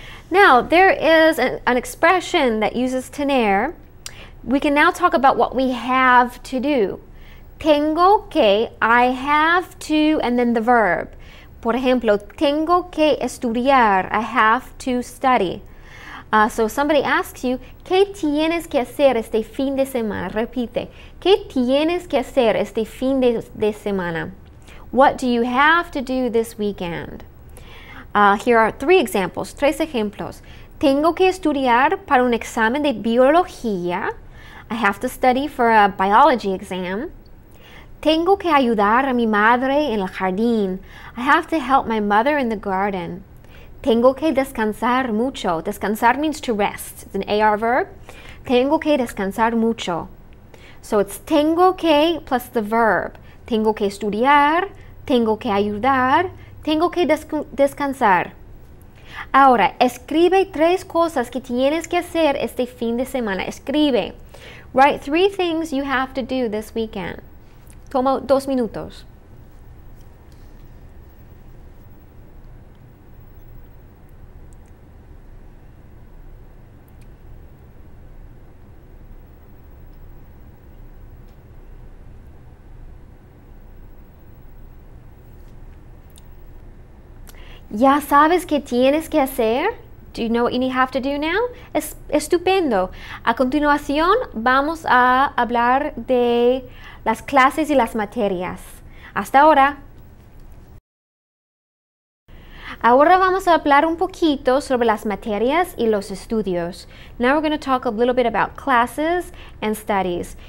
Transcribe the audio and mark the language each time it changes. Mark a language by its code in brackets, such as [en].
[en] Now, there is an expression that uses tener. We can now talk about what we have to do. [es] Tengo que, [en] I have to, and then the verb. [es] Por ejemplo, tengo que estudiar, [en] I have to study. So somebody asks you, [es] ¿qué tienes que hacer este fin de semana? Repite, ¿qué tienes que hacer este fin de semana? [en] What do you have to do this weekend? Here are three examples, [es] tres ejemplos. Tengo que estudiar para un examen de biología. [en] I have to study for a biology exam. [es] Tengo que ayudar a mi madre en el jardín. [en] I have to help my mother in the garden. [es] Tengo que descansar mucho. [en] Descansar means to rest. It's an AR verb. [es] Tengo que descansar mucho. [en] So it's tengo que plus the verb. [es] Tengo que estudiar. Tengo que ayudar. Tengo que descansar. Ahora, escribe tres cosas que tienes que hacer este fin de semana. Escribe. [en] Write three things you have to do this weekend. [es] Toma 2 minutos. ¿Ya sabes qué tienes que hacer? [en] Do you know what you have to do now? [es] Estupendo. A continuación, vamos a hablar de las clases y las materias. Hasta ahora. Ahora vamos a hablar un poquito sobre las materias y los estudios. [en] Now we're going to talk a little bit about classes and studies.